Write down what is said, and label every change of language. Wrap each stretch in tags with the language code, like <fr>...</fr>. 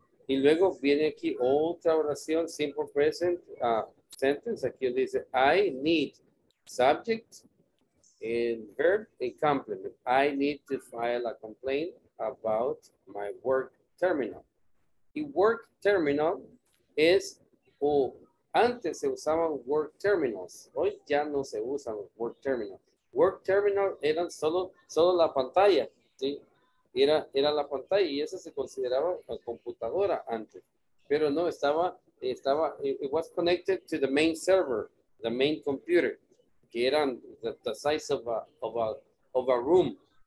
<es>Y luego viene aquí otra oración, simple present sentence. Aquí dice,</es> <en>I need subject and verb and complement. I need to file a complaint about my work terminal.</en> <es>Y work terminal es, antes se usaban work terminals. Hoy ya no se usan work terminal. Work terminal eran solo la pantalla, ¿sí? Era la pantalla y esa se consideraba computadora antes. Pero no,</es> <en>it was connected to the main server, the main computer,</en> <es>que eran</es> <en>the size of a room.</en>